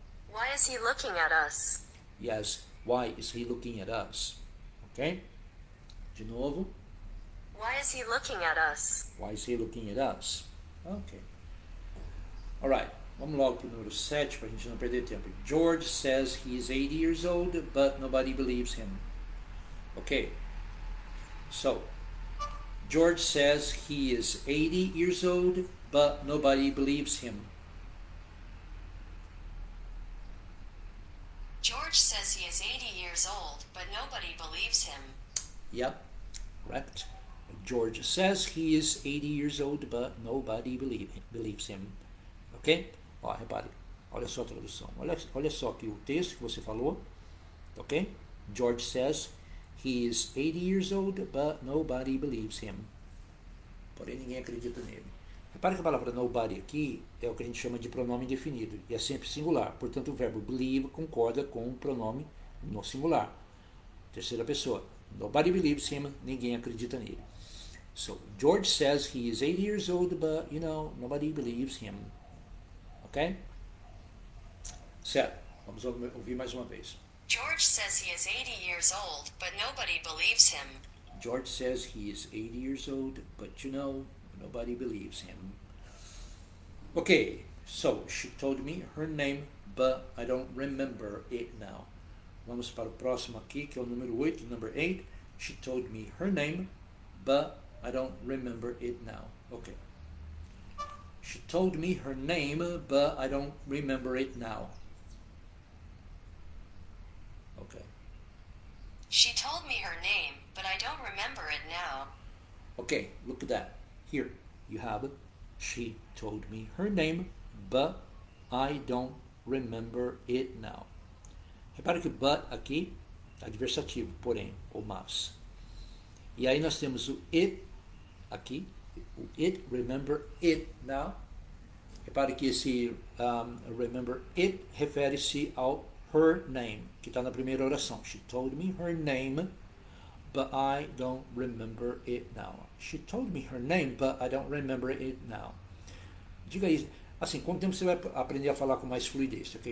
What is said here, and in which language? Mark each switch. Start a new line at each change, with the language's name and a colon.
English: Why is he looking at us? Yes, why is he looking at us? Ok?
Portuguese: De novo.
English: Why is he looking at us? Why is he looking at us? Ok.
Portuguese: Alright, vamos logo para o número 7 para a gente não perder tempo.
English: George says he is 80 years old, but nobody believes him. Ok. So, George says he is 80 years old, but nobody believes him. George says he is 80 years old, but nobody believes him. Yep, correct. George says he is 80 years old, but nobody believes him.
Portuguese: Ok? Ó, repare. Olha só a tradução. Olha só aqui o texto que você falou. Ok?
English: George says he is 80 years old, but nobody believes him.
Portuguese: Porém, ninguém acredita nele. Repare que a palavra nobody aqui é o que a gente chama de pronome indefinido. E é sempre singular. Portanto, o verbo believe concorda com o pronome no singular. Terceira pessoa.
English: Nobody believes him.
Portuguese: Ninguém acredita nele.
English: So, George says he is 80 years old, but, nobody believes him. Ok?
Portuguese: Certo. Vamos ouvir mais uma vez.
English: George says he is 80 years old, but nobody believes him. George says he is 80 years old, but nobody believes him. Okay, so she told me her name, but I don't remember it now.
Portuguese: Vamos para o próximo aqui, que é o número 8.
English: Number 8. She told me her name, but I don't remember it now. Okay. She told me her name, but I don't remember it now. Okay. She told me her name, but I don't remember it now. Okay, look at that. Here you have it. She told me her name, but I don't remember it now.
Portuguese: Repare que but aqui é adversativo, porém, ou mas. E aí nós temos o it aqui, o it, remember it now. Repare que esse remember it refere-se ao her name, que está na primeira oração.
English: She told me her name, but I don't remember it now. She told me her name, but I don't remember it now.
Portuguese: Diga aí, assim, com o tempo você vai aprender a falar com mais fluidez, ok?